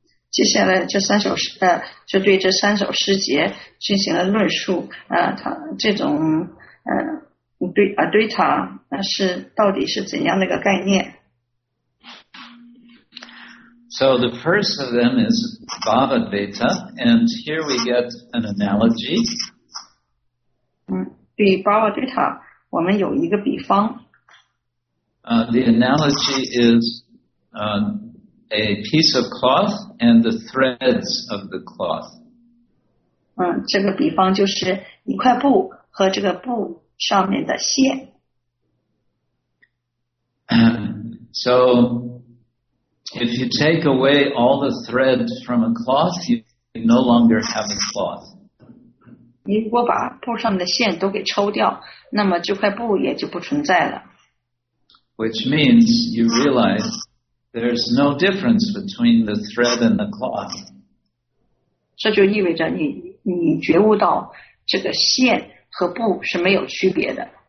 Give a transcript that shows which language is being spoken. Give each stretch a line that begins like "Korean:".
Chinese: 接下来这三首诗就对这三首诗节进行了论述这种对 Advaita 是到底是怎样的一个概念。
English: So the first of them is Bhava Advaita, and here we get an analogy.
Chinese: 对 Bhava Advaita 我们有一个比方。
English: The analogy is a piece of cloth and the threads of the cloth.
Chinese: 这个比方就是一块布和这个布上面的线。
English: So, if you take away all the threads from a cloth, you no longer have a cloth.
Chinese: 如果把布上面的线都给抽掉，那么这块布也就不存在了。
English: Which means you realize there's no difference between the thread and the cloth.
Chinese: 这就意味着你觉悟到这个线和布是没有区别的。